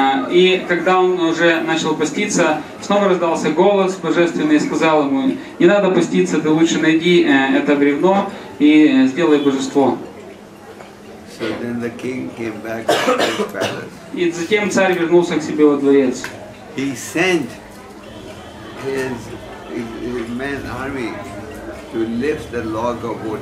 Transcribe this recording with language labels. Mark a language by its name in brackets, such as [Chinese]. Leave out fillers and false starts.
[Russian] И когда он уже начал поститься, снова раздался голос божественный и сказал ему, не надо поститься, ты лучше найди это бревно и сделай божество. [English] So then the king came back to his palace. [Russian] И затем царь вернулся к себе во дворец. [English] He sent his men army to lift the log of wood.